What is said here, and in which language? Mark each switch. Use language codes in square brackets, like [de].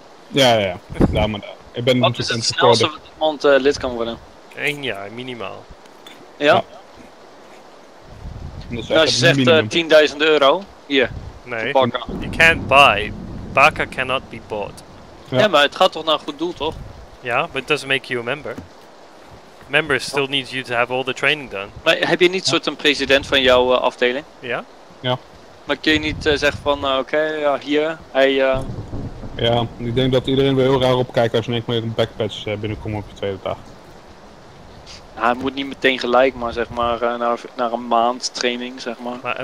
[nl] Ja. Nou, maar ik ben natuurlijk een supporter. Wat is het snelste dat iemand lid kan worden? 1 jaar, minimaal. Ja? Nou, als je zegt 10.000 euro, hier. [en] Nee, you can't buy. Baka cannot be bought. [nl] Ja, maar het gaat toch naar een goed doel, toch? [en] Ja, but it doesn't make you a member. Member still needs you to have all the training done. [nl] Maar heb je niet soort een president van jouw afdeling? Ja. Ja. Maar kun je niet zeggen van, oké, hier, hij... Ja, ik denk dat iedereen weer heel raar opkijkt als je niks meer een backpatch binnenkomt op je tweede dag. Nou, hij moet niet meteen gelijk, maar zeg maar naar een maand training, zeg maar.